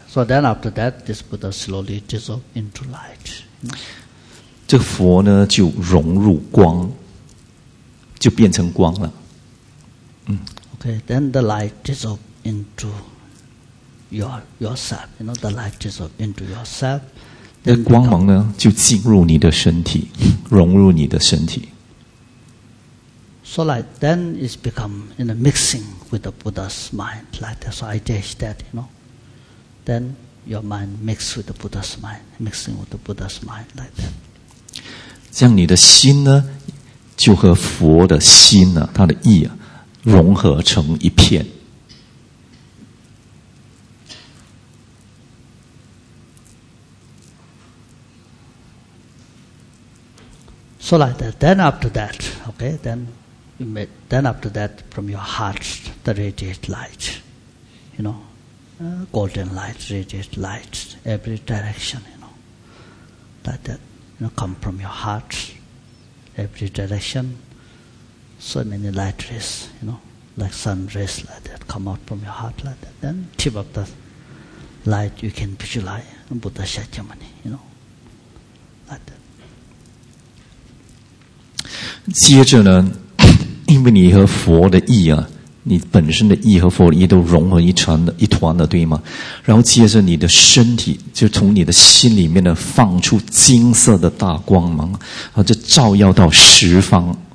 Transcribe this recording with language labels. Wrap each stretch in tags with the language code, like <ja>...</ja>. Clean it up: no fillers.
<en>So then after that, this Buddha slowly dissolve into light.</en> <zh>这佛呢就融入光，就变成光了。</zh> <en>Okay, then the light dissolves into yourself. You know, the light dissolves into yourself.</en> <zh>Then 那光芒呢，就进入你的身体，融入你的身体。</zh> <en>So like then it's become in a mixing with the Buddha's mind. Like that, so I dash that, you know. Then your mind mix with the Buddha's mind, mixing with the Buddha's mind like that.</en> <zh>这样你的心呢，就和佛的心呢、啊，他的意啊。融合成一片。</zh> <en>So like that. Then after that, okay. Then you may. Then after that, from your heart, the radiate light. You know, golden light, radiate light, every direction. You know, like that. You know, come from your heart, every direction. So many light rays. You know. Like sun rays like that, come out from your heart like that. Then tip of the light, you can visualize Buddha Shakyamuni, you know, like that.</en> <zh>接着呢，因为你和佛的意啊，你本身的意和佛的意都融合一团了，对吗？然后接着你的身体就从你的心里面呢放出金色的大光芒，然后就照耀到十方。</zh>